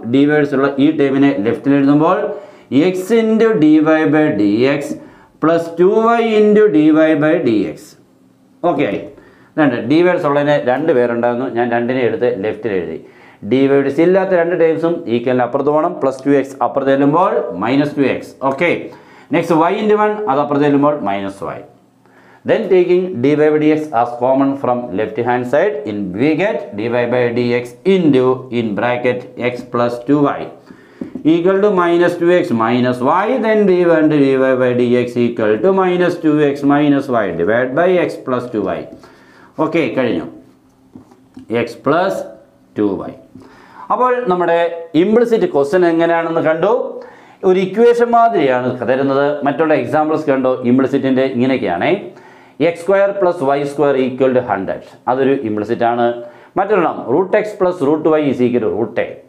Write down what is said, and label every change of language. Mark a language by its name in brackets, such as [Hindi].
[Malayalam] D Y X ഉള്ള ഈ ടൈമിനെ ലെഫ്റ്റിൽ എഴുതുമ്പോൾ X into D Y by D X plus 2y into D Y by D X. Okay, രണ്ട് D Y X ഉള്ളതിന് രണ്ട് പേരുണ്ടായിരുന്നു, ഞാൻ രണ്ടിനെ എടുത്ത് ലെഫ്റ്റിൽ എഴുതി. ഡി വൈ ഡി സി ഇല്ലാത്ത രണ്ട് ടൈംസും ഈക്വലിന് അപ്പുറത്ത് പോകണം. പ്ലസ് 2x അപ്പുറത്ത് ചെല്ലുമ്പോൾ minus 2x. Okay, next Y into 1 അത് അപ്പുറത്ത് ചെല്ലുമ്പോൾ minus Y. [English] Then taking dy by dx as common from left hand side, in we get dy by dx into in bracket x plus 2y equal to minus 2x minus y, then dy and dy by dx equal to minus 2x minus y divided by x plus 2y. Okay, [Malayalam] കഴിഞ്ഞു. [English] X plus 2y. [Malayalam] അപ്പോൾ നമ്മുടെ implicit question എങ്ങനെയാണെന്ന് കണ്ടു. ഒരു equation മാതിരിയാണ് തരുന്നത്. മറ്റുള്ള examples കണ്ടു ഇംപ്ലിസിറ്റിൻ്റെ, ഇങ്ങനെയൊക്കെയാണ് X square plus Y square equal to 100. അതൊരു ഇംപ്ലിസിറ്റ് ആണ്. മറ്റൊരെണ്ണം root X plus root Y is equal root A.